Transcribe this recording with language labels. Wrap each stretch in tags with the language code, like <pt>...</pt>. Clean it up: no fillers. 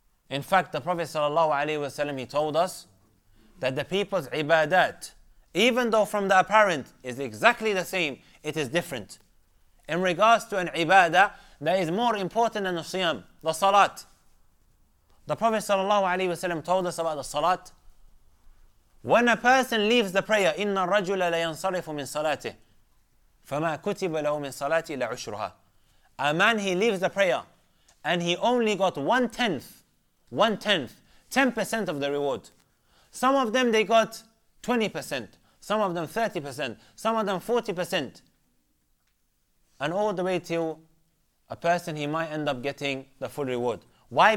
<en>In fact, the Prophet sallallahu alaihi wasallam, he told us that the people's ibadat, even though from the apparent is exactly the same, it is different. In regards to an ibadah that is more important than the Siyam, the Salat. The Prophet sallallahu alaihi wasallam told us about the salat. When a person leaves the prayer,</en> <ar>إِنَّ الرَّجُلَ لَيَنْصَرِفُ مِنْ صَلَاتِهِ فَمَا كُتِبَ لَهُ مِنْ صَلَاتِهِ لَعُشْرُهَا.</ar> <en>A man, he leaves the prayer and he only got one tenth, 10% of the reward. Some of them, they got 20%, some of them 30%, some of them 40%. And all the way till a person, he might end up getting the full reward. Why?</en>